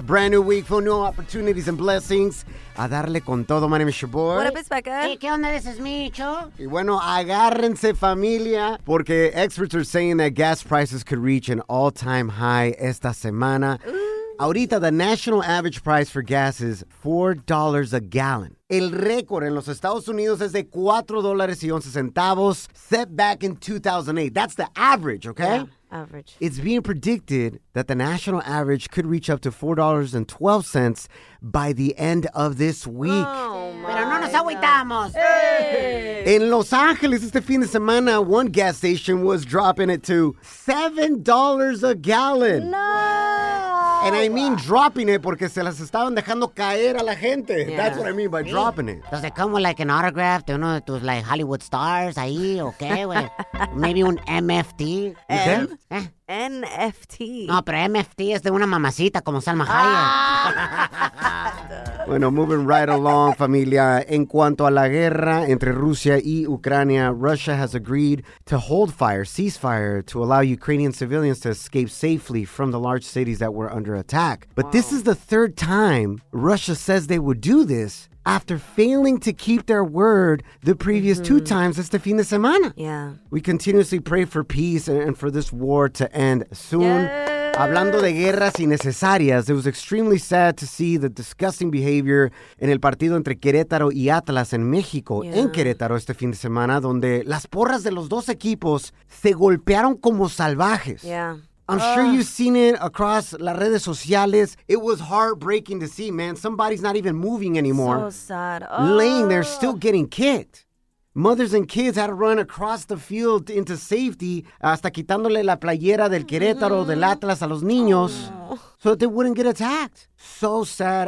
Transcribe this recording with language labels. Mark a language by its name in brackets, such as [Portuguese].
[English] Brand new week full new opportunities and blessings. [Spanish] A darle con todo. [English] My name is your boy. What up, it's Becca. Hey, [Spanish] ¿qué onda? [English] This is Micho. [Spanish] Y bueno, agárrense, familia. [English] Porque experts are saying that gas prices could reach an all-time high [Spanish] esta semana. [English] Ahorita, the national average price for gas is $4 a gallon. [Spanish] El récord en los Estados Unidos es de $4.11, [English] set back in 2008. That's the average, okay? Yeah, average. It's being predicted that the national average could reach up to $4.12 by the end of this week. Oh, [Spanish] pero no nos agüitamos. [English] In Los Angeles, [Spanish] este fin de semana, [English] one gas station was dropping it to $7 a gallon. And I mean dropping it [Spanish] porque se las estaban dejando caer a la gente. Yeah. [English] That's what I mean by dropping it. Does it come with like an autograph to one of those like Hollywood stars ahí, okay? Well, maybe un MFT. NFT. [Spanish] No, pero MFT es de una mamacita como Salma Hayek. [English] Bueno, moving right along, familia. [Spanish] En cuanto a la guerra entre Rusia y Ucrania, [English] Russia has agreed to hold fire, cease fire, to allow Ukrainian civilians to escape safely from the large cities that were under attack. But this is the third time Russia says they would do this after failing to keep their word the previous two times [Spanish] este fin de semana. [English] Yeah. We continuously pray for peace and for this war to end soon. Yeah. [Spanish] Hablando de guerras innecesarias, [English] it was extremely sad to see the disgusting behavior [Spanish] en el partido entre Querétaro y Atlas en México, en Querétaro este fin de semana, donde las porras de los dos equipos se golpearon como salvajes. [English] Yeah. I'm sure you've seen it across [Spanish] las redes sociales. [English] It was heartbreaking to see, man. Somebody's not even moving anymore. So sad. Laying there, still getting kicked. Mothers and kids had to run across the field into safety, [Spanish] hasta quitándole la playera del Querétaro, del Atlas a los niños, [English] so that they wouldn't get attacked. So sad.